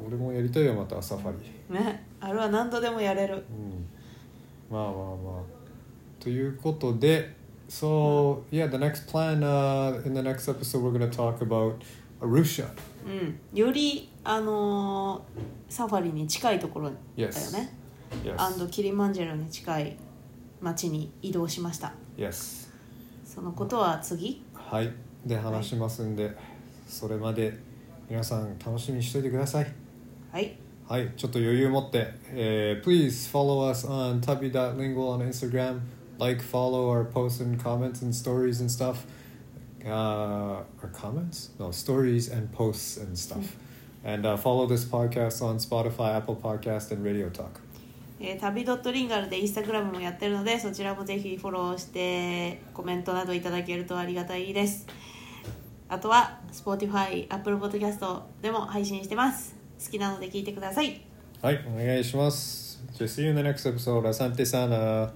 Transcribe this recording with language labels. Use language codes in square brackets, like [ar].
[ja] 俺もやりたいよ、またサファリ。ね。あれは何度でもやれる。うん。まあまあまあ。ということで、 [en] So, yeah, the next plan, in the next episode, we're going to talk about Arusha. [ja] より、サファリに近いところだよね。 [en] Yes. Yes. And [ja] キリマンジェロに近い町に移動しました。 [en] Yes. [ja] そのことは次。はい。で、話しますんで、はい、それまで皆さん楽しみにしておいてください。はい。はい、ちょっと余裕持って。 [en] Please follow us on tabi.lingual on Instagram. Like, follow our posts and comments and stories and stuff. Our comments? No, stories and posts and stuff. And follow this podcast on Spotify, Apple Podcast, and Radio Talk. [ja] Tabi.lingual でインスタグラムもやってるので、そちらもぜひフォローしてコメントなどいただけるとありがたいです。あとは Spotify、Apple Podcast でも配信してます。好きなので聞いてください。はい、お願いします。 [en] Just see you in the next episode. [sw] Asante sana.